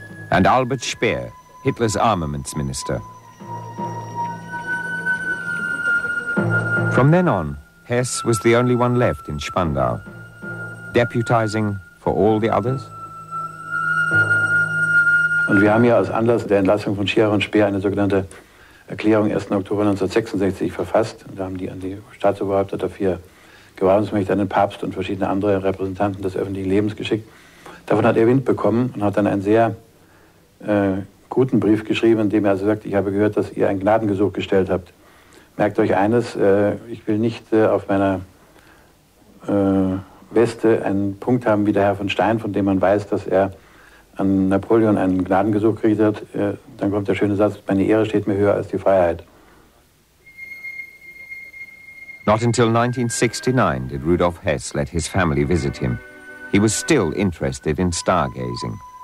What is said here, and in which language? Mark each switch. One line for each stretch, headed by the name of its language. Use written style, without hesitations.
English: And Albert Speer, Hitler's armaments minister. From then on, Hess was the only one left in Spandau, deputizing for all the others.
German: Und wir haben ja aus Anlass der Entlassung von Schirach und Speer eine sogenannte Erklärung 1. Oktober 1966 verfasst. Und da haben die an die Staatsoberhäupter dafür Gewahrungsmächte, an den Papst und verschiedene andere Repräsentanten des öffentlichen Lebens geschickt. Davon hat er Wind bekommen und hat dann einen sehr guten Brief geschrieben, in dem er also sagt, ich habe gehört, dass ihr ein Gnadengesuch gestellt habt. Merkt euch eines, ich will nicht auf meiner Weste einen Punkt haben wie der Herr von Stein, von dem man weiß, dass er an Napoleon einen Gnadengesuch gekriegt hat, dann kommt der schöne Satz, meine Ehre steht mir höher als die Freiheit.
English: Not until 1969 did Rudolf Hess let his family visit him. He was still interested in stargazing.